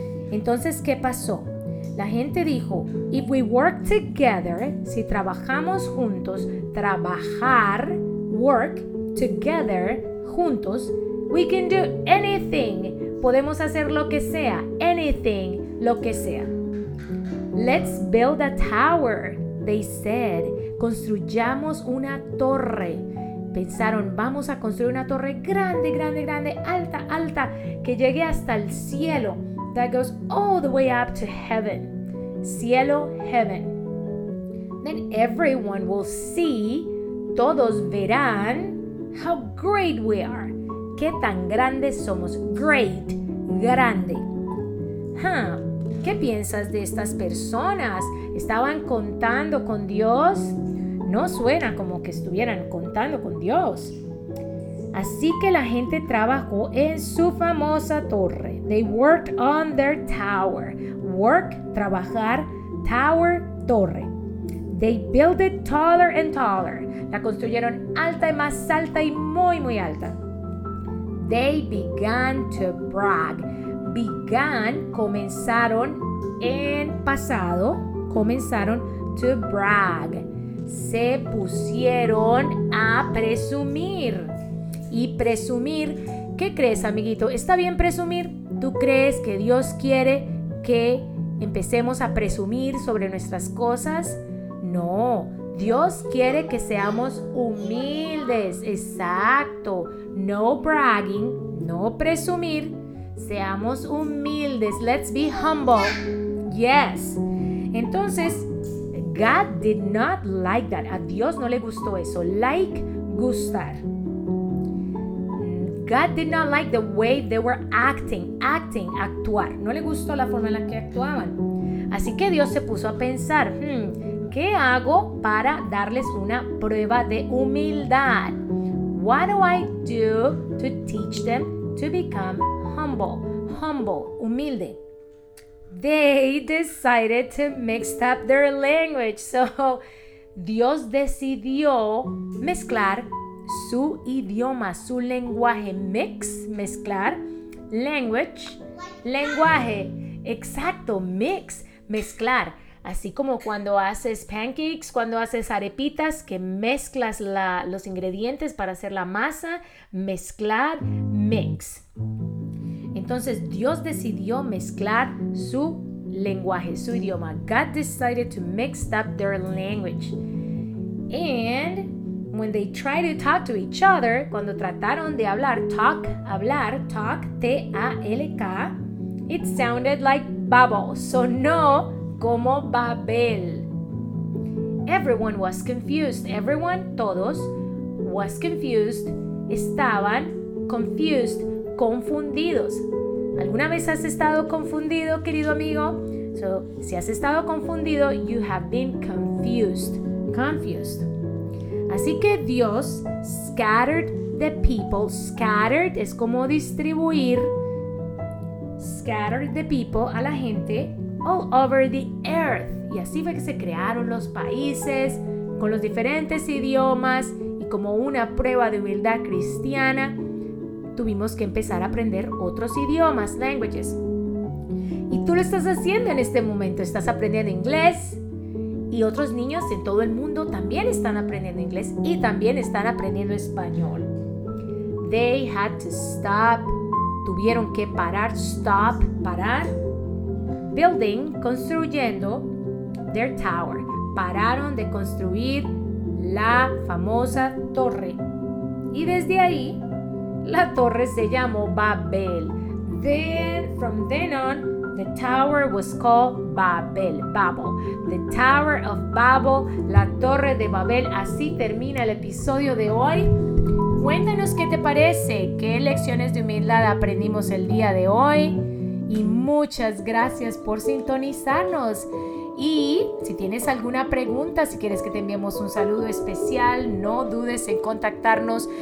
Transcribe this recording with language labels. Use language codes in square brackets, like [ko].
[es] Entonces, ¿qué pasó? La gente dijo, [en] if we work together, [es] si trabajamos juntos, trabajar, [en] work together, [es] juntos, [en] we can do anything. [es] Podemos hacer lo que sea, anything, lo que sea. [en] Let's build a tower, they said. [es] Construyamos una torre. Pensaron, vamos a construir una torre grande, grande, grande, alta, alta, que llegue hasta el cielo. [en] That goes all the way up to heaven. Cielo, heaven. Then everyone will see, [es] todos verán, [en] how great we are. [es] Qué tan grandes somos. Great, grande. Huh. ¿Qué piensas de estas personas? ¿Estaban contando con Dios? No suena como que estuvieran contando con Dios. Así que la gente trabajó en su famosa torre. [en] They worked on their tower. Work, trabajar, tower, torre. They built it taller and taller. [es] La construyeron alta y más alta y muy, muy alta. [en] They began to brag. Began, [es] comenzaron en pasado, [en] comenzaron to brag. [es] Se pusieron a presumir. Y presumir, ¿qué crees, amiguito? ¿Está bien presumir? ¿Tú crees que Dios quiere que empecemos a presumir sobre nuestras cosas? No, Dios quiere que seamos humildes. Exacto. [en] No bragging, [es] no presumir. Seamos humildes. [en] Let's be humble. Yes. [es] Entonces, [en] God did not like that. [es] A Dios no le gustó eso. Like, gustar. [en] God did not like the way they were acting, actuar. [es] No le gustó la forma en la que actuaban. Así que Dios se puso a pensar, ¿qué hago para darles una prueba de humildad? [en] What do I do to teach them to become humble, humilde? They decided to mix up their language. [es] So, Dios decidió mezclar su idioma, su lenguaje, mezclar, language, lenguaje, exacto, mix, mezclar, así como cuando haces pancakes, cuando haces arepitas, que mezclas los ingredientes para hacer la masa, mezclar, mix. Entonces, Dios decidió mezclar su lenguaje, su idioma. [en] God decided to mix up their language. And when they tried to talk to each other, [es] cuando trataron de hablar, [en] talk, T-A-L-K, it sounded like babble, [es] sonó como Babel. [en] Everyone was confused. Everyone, todos, was confused. Estaban confused, confundidos. [es] ¿Alguna vez has estado confundido, querido amigo? [en] So, [es] si has estado confundido, [en] you have been confused. Confused. [es] Así que Dios [en] scattered the people. Scattered [es] es como distribuir. [en] Scattered the people, [es] a la gente, [en] all over the earth. [es] Y así fue que se crearon los países con los diferentes idiomas. Y como una prueba de humildad cristiana, tuvimos que empezar a aprender otros idiomas, languages. Y tú lo estás haciendo en este momento. Estás aprendiendo inglés. Y otros niños en todo el mundo también están aprendiendo inglés y también están aprendiendo español. [en] They had to stop. [es] Tuvieron que parar. [en] Stop. Parar. Building. Construyendo their tower. [es] Pararon de construir la famosa torre. Y desde ahí, la torre se llamó Babel. [en] Then, from then on, the tower was called Babel. Babel. The Tower of Babel. La Torre de Babel. [es] Así termina el episodio de hoy. Cuéntanos qué te parece. Qué lecciones de humildad aprendimos el día de hoy. Y muchas gracias por sintonizarnos. Y si tienes alguna pregunta, si quieres que te enviemos un saludo especial, no dudes en contactarnos.